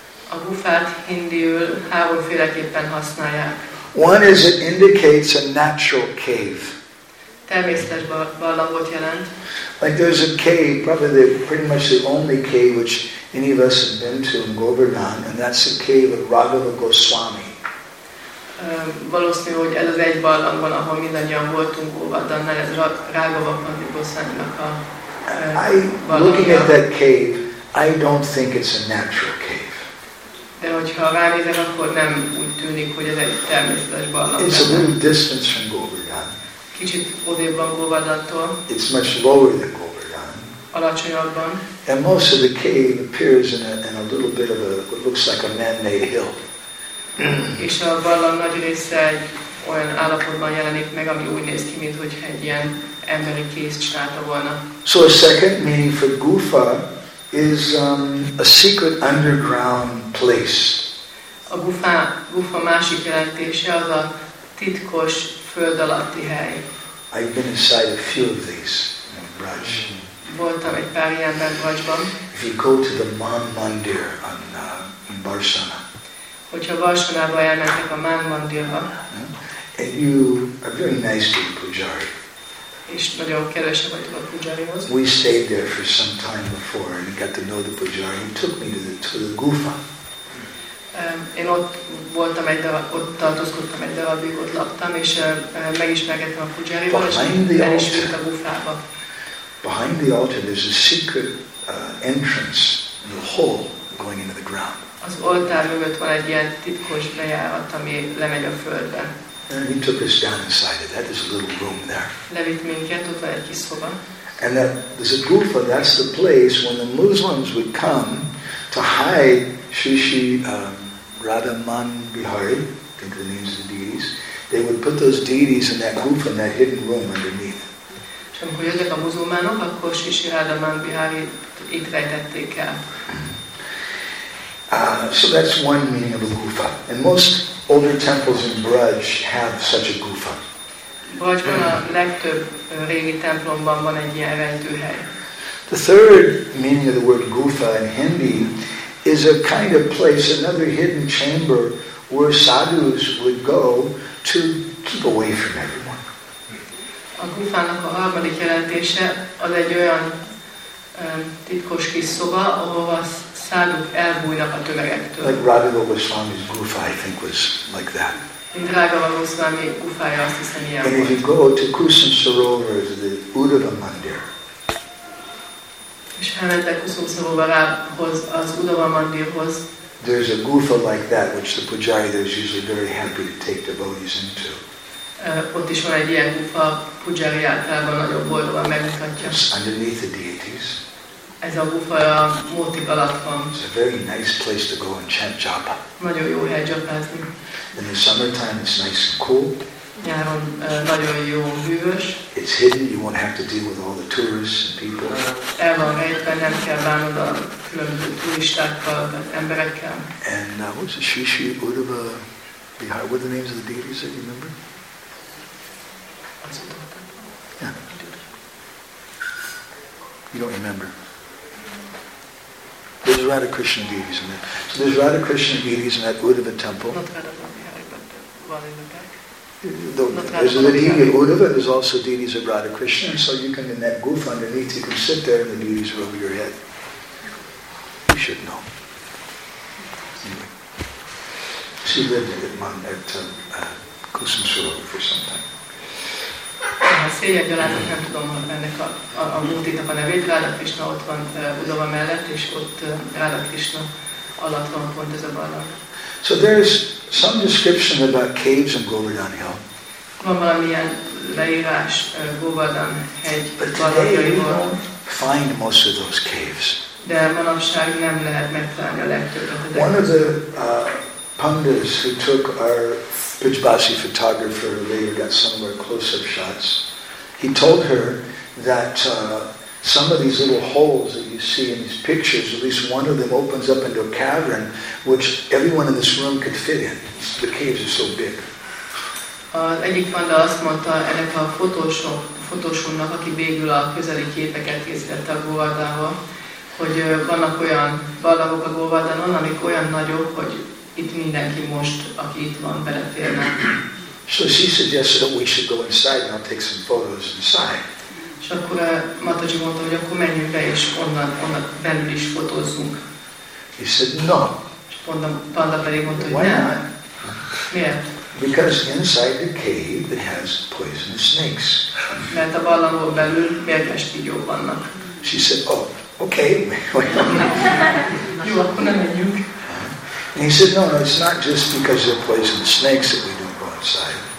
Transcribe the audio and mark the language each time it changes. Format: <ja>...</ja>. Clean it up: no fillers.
<hu>A gufát hindiül háromféleképpen használják.</hu> <en>One is it indicates a natural cave.</en> <hu>Természetes barlangot jelent.</hu> <en>Like there's a cave, probably pretty much the only cave which any of us have been to in Govardhan, and that's the cave of Raghava Goswami.</en> <hu>Valószínű, hogy ez az egy barlangban, ahol mindannyian voltunk Govardhannál, ez Raghava Pandit Goswaminak a barlangja.</hu> <en>Looking at that cave, I don't think it's a natural cave.</en> <hu>De hogyha ránézek, akkor nem úgy tűnik, hogy ez egy természetes barlang.</hu> <en>It's a little distance from Govardhan.</en> <hu>Kicsit odébb van Govardhantól.</hu> <en>It's much lower than Govardhan.</en> <hu>alacsonyabban.</hu> <en>And most of the cave appears in a little bit of a what looks like a man-made hill.</en> <hu>És a vallam nagy része egy olyan állapotban jelenik meg, ami úgy néz ki, mint hogy egy ilyen emberi kéz csinálta volna.</hu> <en>So a second meaning for gufa is a secret underground place.</en> <hu>A gufa másik jelentése az a titkos föld alatti hely.</hu> <en>I've been inside a few of these in Braj.</en> <hu>Voltam egy pár ilyenben Brajban.</hu> <en>If you go to the Man Mandir in Barsana.</en> <hu>Hogyha Varsanába elmentek a Man Mandirba.</hu> <en>And you are very nice to the Pujari.</en> <hu>És nagyon kedvese vagyok a Pujarihoz.</hu> <en>We stayed there for some time before and got to know the Pujari. He took me to the Gufa.</en> <hu>Én ott voltam egy darab, ott tartozkodtam egy darabig, ott laktam, és megismerkedtem a Pujarival, és el is ült a Gufába.</hu> <en>Behind the altar there's a secret entrance in the hole going into the ground.</en> <hu>Az oltár mögött van egy ilyen titkos bejárat, ami lemegy a földbe.</hu> <en>And he took us down inside it. That is a little room there.</en> <hu>Levitt minket, ott van egy kis szoba.</hu> <en>And that there's a gufa, that's the place when the Muslims would come to hide Shishi Radhaman Bihari, I think the names of the deities. They would put those deities in that gufa, in that hidden room underneath.</en> <hu>És amikor jöttek a muzulmánok, akkor Shishi Radhaman Biharit itt rejtették el.</hu> <en>So that's one meaning of a gufa. And most older temples in Braj have such a gufa.</en> <hu>Brajban a legtöbb régi templomban van egy ilyen rejtőhely.</hu> <en>The third meaning of the word gufa in Hindi is a kind of place, another hidden chamber where sadhus would go to keep away from everyone.</en> <hu>A gufának a harmadik jelentése az egy olyan titkos kis szoba, ahova szádok elbújnak a tömegektől.</hu> <en>Like Radhika Goswami's gufa, I think, was like that.</en> <hu>Radhika Goswami gufája azt hiszem ilyen volt.</hu> <en>And if you go to Kusum Sarovar, the Uddhava Mandir.</en> <hu>És ha mentek Kusum Sarovarához, az Uddhava Mandirhoz.</hu> <en>There's a gufa like that, which the Pujari there is usually very happy to take devotees into.</en> <hu>Ott is van egy ilyen gufa, Pujari általában nagyon boldogan megmutatja.</hu> <en>Underneath the deities.</en> <hu>Ez a gufa a mótik alatt van.</hu> <en>It's a very nice place to go and chant japa.</en> <hu>Nagyon jó hely japázni.</hu> <en>In the summertime it's nice and cool.</en> <hu>Nyáron nagyon jó hűvös.</hu> <en>It's hidden, you won't have to deal with all the tourists and people.</en> <hu>El van rejtve, nem kell bánod a különböző turistákkal, emberekkel.</hu> <en>And what's the Shishi Uddhava Bihar? What are the names of the deities that you remember? Yeah. You don't remember. There's Radha Krishna deities in there. So there's Radha Krishna deities in that Uddhava temple. There's a deity of Uddhava, there's also deities of Radha Krishna. And so you can, in that gufa underneath, you can sit there and the deities are over your head. You should know. Anyway. She lived at Kusum Sarovar for some time.</en> <hu>Széljegy gyalázat, nem tudom ennek a mótitnak a nevét. Radha Krishna ott van Uddhava mellett, és ott Radha Krishna alatt van pont ez a barlang.</hu> <en>So there's some description about caves in Govardhan Hill.</en> <hu>Van valamilyen leírás Govardhan hegy barlangjaiból.</hu> <en>Find most of those caves.</en> <hu>De manapság nem lehet megtalálni a legtöbbet.</hu> <en>One of the pandas who took our Pujbasi photographer later got somewhere close-up shots. He told her that some of these little holes that you see in these pictures, at least one of them opens up into a cavern which everyone in this room could fit in. The caves are so big.</en> <hu>Az egyik panda azt mondta ennek a fotósunknak, aki végül a közeli képeket készítette a Govardhanba, hogy vannak olyan barlangok a Govardhanon, amik olyan nagyok, hogy itt mindenki most, aki itt van, beleférne.</hu> <en>So she suggested that we should go inside and I'll take some photos inside.</en> <hu>És akkor Mataji mondta, hogy akkor menjünk be és onnan belül is fotózzunk.</hu> <en>He said no.</en> <hu>És Panda pedig mondta, hogy nem.</hu> <en>Why not?</en> <hu>Miért?</hu> <en>Because inside the cave it has poisonous snakes.</en> <hu>Mert a barlangon belül mérges tigyók vannak.</hu> <en>She said, oh, okay.</en> <hu>Jó, akkor nem menjünk.</hu> <en>And he said, no, it's not just because they're poisonous snakes that we don't go inside.</en>